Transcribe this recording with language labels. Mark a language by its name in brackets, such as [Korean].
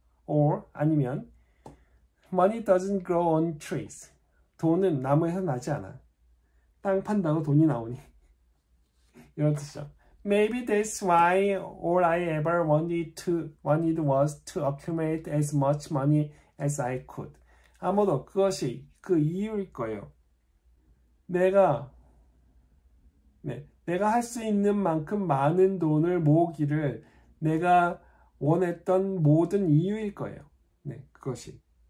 [English] Or [Korean] 아니면 [English] Money doesn't grow on trees. [Korean] 돈은 나무에서 나지 않아. 땅 판다고 돈이 나오니. 이런 뜻이죠. [English] Maybe that's why all I ever wanted was to accumulate as much money as I could. [Korean] 아마도 그것이 그 이유일 거예요. 내가 할수 있는 만큼 많은 돈을 모으기를 내가 원했던 모든 이유일 거예요. 네, 그것이.